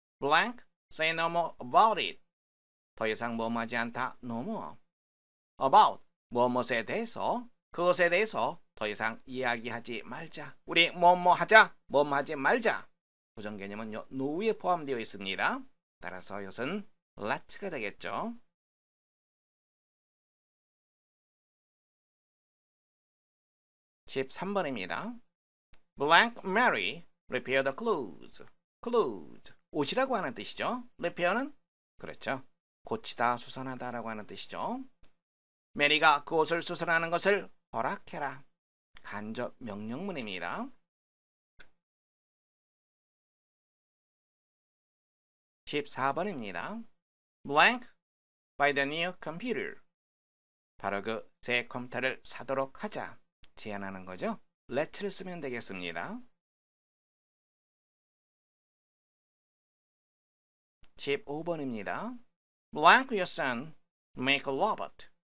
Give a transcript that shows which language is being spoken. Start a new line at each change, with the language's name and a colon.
English: blank say no more about it.
Korean: 더 이상 뭐뭐하지 않다. no more. about 뭐뭐에 대해서 그것에 대해서 더 이상 이야기하지 말자. 우리 뭐뭐하자 뭐뭐하지 말자. 부정 개념은 요 no에 포함되어 있습니다. 따라서 이것은 let's가 되겠죠. 13번입니다.
English: blank Mary repair the clothes.
Korean: clothes, 옷이라고 하는 뜻이죠. repair는? 그렇죠. 고치다, 수선하다 라고 하는 뜻이죠. Mary가 그 옷을 수선하는 것을 허락해라. 간접 명령문입니다. 14번입니다.
English: blank by the new computer.
Korean: 바로 그 새 컴퓨터를 사도록 하자. 제안하는 거죠. let's를 쓰면 되겠습니다. 15번입니다.
English: blank your son make a robot.